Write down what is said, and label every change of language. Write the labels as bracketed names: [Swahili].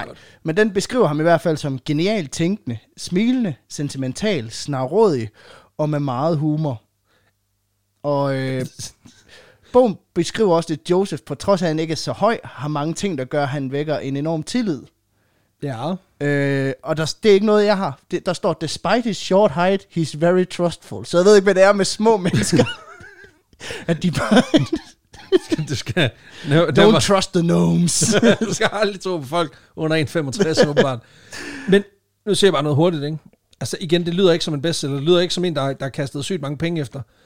[Danish] Nej, men den beskriver ham i hvert fald som genialt tænkende, smilende, sentimental, snarrådig og med meget humor. Og bogen beskriver også, at Joseph, på trods af, han ikke er så høj, har mange ting, der gør, han vækker en enorm tillid. Ja. Og det er ikke noget, jeg har. Der står, [English] despite his short height, he's very trustful. [Danish] Så jeg ved ikke, hvad det er med små mennesker. At de bare... du skal... [English] No, don't var... trust the gnomes. [Danish] Du skal aldrig tro på folk under 1,65, åbenbart. Men nu ser jeg bare noget hurtigt, ikke? Altså igen, det lyder ikke som en bestseller. Det lyder ikke som en, der har kastet sygt mange penge efter.